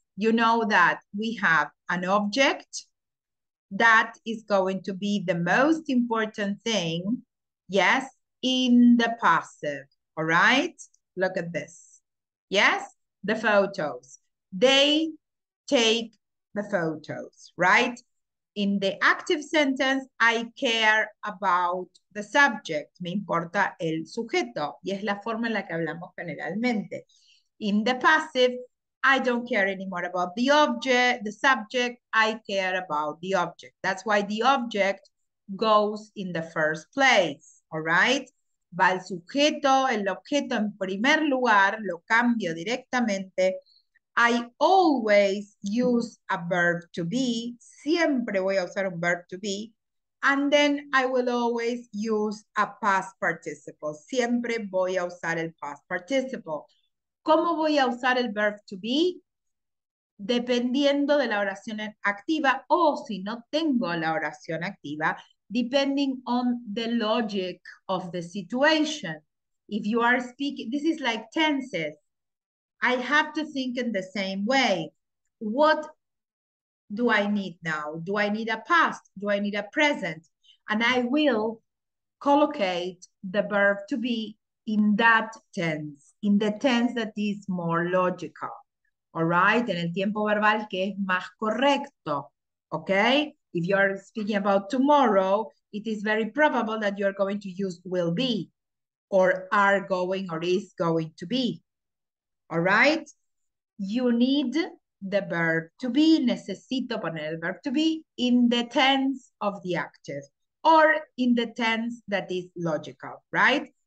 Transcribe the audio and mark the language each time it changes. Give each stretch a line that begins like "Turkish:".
English: You know that we have an object that is going to be the most important thing, yes, in the passive. All right? Look at this. Yes, the photos. They take the photos, right? In the active sentence, I care about the subject.
Spanish: Me importa el sujeto. Y es la forma en la que hablamos generalmente.
English: In the passive, I don't care anymore about the object, the subject. I care about the object. That's why the object goes in the first place. All right?
Spanish: Va el sujeto, el objeto en primer lugar, lo cambio directamente.
English: I always use a verb to be.
Spanish: Siempre voy a usar un verb to be.
English: And then I will always use a past participle.
Spanish: Siempre voy a usar el past participle. ¿Cómo voy a usar el verb to be? Dependiendo de la oración activa o si no tengo la oración activa,
English: depending on the logic of the situation. If you are speaking, this is like tenses. I have to think in the same way. What do I need now? Do I need a past? Do I need a present? And I will collocate the verb to be in that tense, in the tense that is more logical. All right?
Spanish: En el tiempo verbal que es más correcto.
English: Okay? If you are speaking about tomorrow, it is very probable that you are going to use will be or are going or is going to be. All right? You need the verb to be.
Spanish: Necesito poner el
English: verb to be in the tense of the active or in the tense that is logical, right?